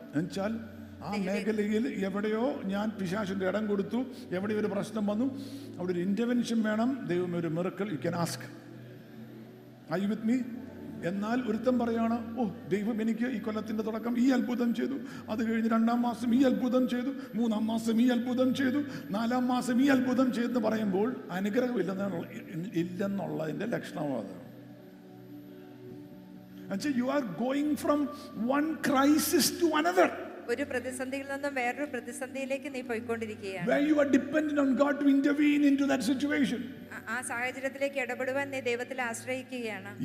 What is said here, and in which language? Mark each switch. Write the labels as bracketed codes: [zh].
[ml] എന്നുവെച്ചാൽ ആ മേഖലയിൽ എവിടെയോ ഞാൻ പിശാചിന്റെ ഇടം കൊടുത്തു, എവിടെയോ ഒരു പ്രശ്നം വന്നു, അവിടെ ഒരു ഇന്റർവെൻഷൻ വേണം. ദൈവം ഒരു miracle. [en] You can ask. I with me. [ml] എന്നാൽ ഒരുത്തം പറയാണ്, ഓ ദൈവം എനിക്ക് ഈ കൊല്ലത്തിൻ്റെ തുടക്കം ഈ അത്ഭുതം ചെയ്തു, അത് കഴിഞ്ഞ് രണ്ടാം മാസം ഈ അത്ഭുതം ചെയ്തു, മൂന്നാം മാസം ഈ അത്ഭുതം ചെയ്തു, നാലാം മാസം ഈ അത്ഭുതം ചെയ്തെന്ന് പറയുമ്പോൾ അനുഗ്രഹമില്ലെന്നുള്ളതിൻ്റെ ലക്ഷണമാണ് അത്. [en] You are going from one crisis to another. [ml] ഒരു പ്രതിസന്ധിയിൽ നിന്ന് വേറൊരു പ്രതിസന്ധിയിലേക്ക് നീ പോയിക്കൊണ്ടിരിക്കുകയാണ്. [en] Where you are dependent on God to intervene into that situation. [ml] ആ സാഹചര്യത്തിലേക്ക് ഇടപെടുവാൻ നീ ദൈവത്തെ ആശ്രയിക്കുകയാണ്.